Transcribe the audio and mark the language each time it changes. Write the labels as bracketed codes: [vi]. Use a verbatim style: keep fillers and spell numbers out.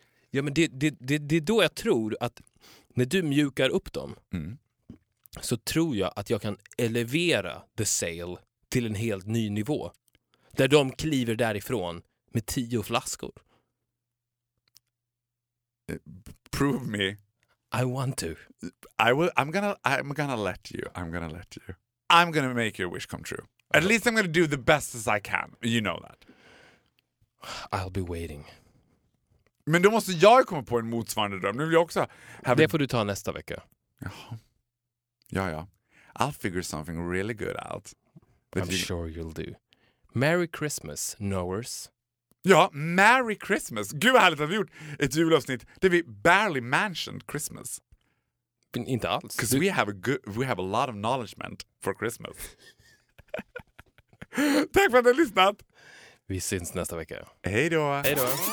[sv] Ja, men det, det, det, det är då jag tror att när du mjukar upp dem mm. så tror jag att jag kan elevera the sale till en helt ny nivå. Där de kliver därifrån med tio flaskor. [en] Uh, prove me. I want to. I will, I'm gonna, I'm gonna let you. I'm gonna let you. I'm gonna make your wish come true. At least I'm gonna do the best as I can. You know that. I'll be waiting. [sv] Men då måste jag komma på en motsvarande dröm. Nu vill jag också have det får du ta nästa vecka. Jaha. Ja, ja. [en] I'll figure something really good out. I'm you... sure you'll do. Merry Christmas, knowers. Ja, Merry Christmas. [sv] Gud vad härligt att vi gjort ett julavsnitt där vi barely mentioned Christmas. Men inte alls. [en] Because du... we have a good, we have a lot of acknowledgement for Christmas. [sv] Tack för att ni har lyssnat. Vi syns nästa vecka. Hej då. Hej då.